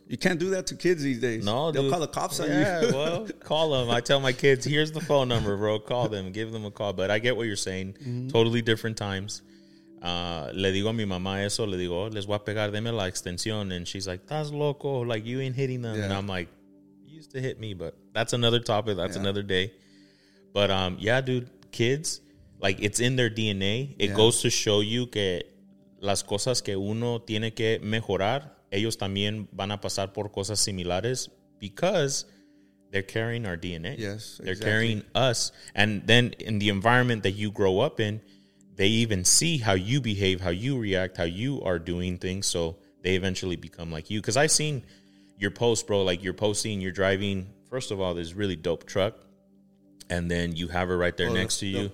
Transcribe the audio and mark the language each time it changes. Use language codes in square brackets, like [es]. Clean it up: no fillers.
[en] You can't do that to kids these days. No, they'll call the cops on you. Yeah, well, call them. I tell my kids, here's the phone number, bro. Call them. Give them a call. But I get what you're saying. Mm-hmm. Totally different times. [es] Le digo a mi mamá eso. Le digo, les voy a pegar, deme la extensión. [en] And she's like, that's loco. Like, you ain't hitting them. Yeah. And I'm like, you used to hit me. But that's another topic. That's another day. But yeah, dude, kids, like, it's in their DNA. It goes to show you [es] que las cosas que uno tiene que mejorar ellos también van a pasar por cosas similares [en] because they're carrying our DNA. Yes, exactly. They're carrying us. And then in the environment that you grow up in, they even see how you behave, how you react, how you are doing things. So they eventually become like you. Because I've seen your post, bro. Like, you're posting, you're driving, first of all, this really dope truck. And then you have it right there next to you.